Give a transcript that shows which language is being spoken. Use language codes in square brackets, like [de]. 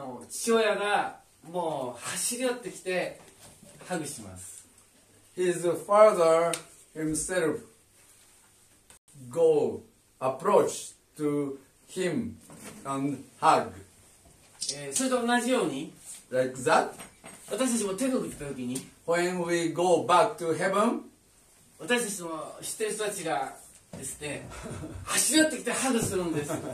[ja] 父親がもう走り寄ってきてハグします。 [en] His father himself go approach to him and hug. [ja] それと同じように。 [en] Like that. [ja] 私たちも天国行った時に。 [en] When we go back to heaven. [ja] 私たちも知ってる人たちがですね、走り寄ってきてハグするんです。